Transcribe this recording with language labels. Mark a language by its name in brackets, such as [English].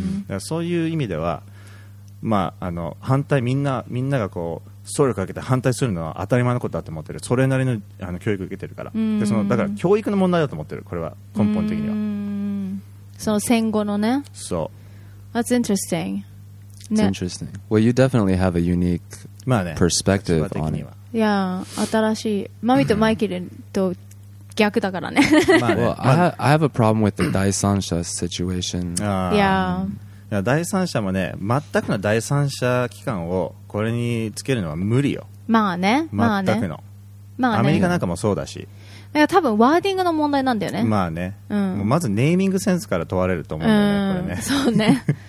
[Japanese] だからそういう意味では、まあ、あの反対みんなが総力かけて反対するのは当たり前のことだと思ってる。それなり の、 あの教育受けてるから。でそのだから教育の問題だと思ってる。これは根本的にはその戦後のね。そう [English] That's interesting. That's interesting. Well, you definitely have a unique perspective on it. [Japanese] Yeah, 新しい。マミとマイケルと逆だからね。 [English] Well, I have a problem with the 第三者 situation. Yeah. [Japanese] 第三者もね、全くの第三者機関をこれにつけるのは無理よ。まあね。全くの。まあね、アメリカなんかもそうだし、いや多分ワーディングの問題なんだよね。まあね、うん、もうまずネーミングセンスから問われると思うんだよね、うん、これね。そうね。